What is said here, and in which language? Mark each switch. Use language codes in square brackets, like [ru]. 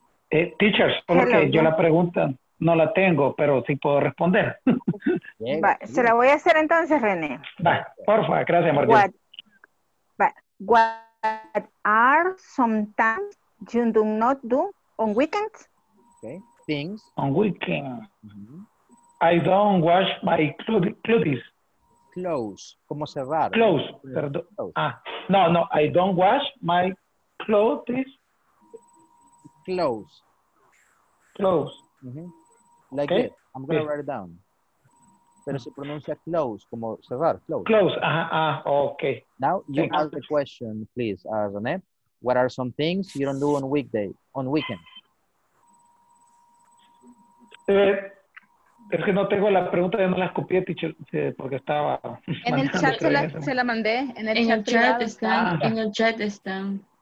[es] Teachers, solo que yo la pregunta no la tengo, pero sí puedo responder. Va, se la voy a hacer entonces, René. Va, porfa, gracias, Martín. [en] What are sometimes you do not do on weekends? Okay, things. On weekends. Mm-hmm. I don't wash my clothes. [es] Clothes. ¿Cómo cerrar? [en] Clothes. Perdón. Ah, no, I don't wash my clothes. Clothes. Mm-hmm. Like okay. I'm going to write it down. [es] Pero se pronuncia close, como cerrar, close. [en] Close, okay. Now, you Thank ask you. The question, please, René. What are some things you don't do on weekday, on weekend? [es] Es que no tengo la pregunta, ya no la copié, teacher, porque estaba... En el chat se la mandé, en el chat están.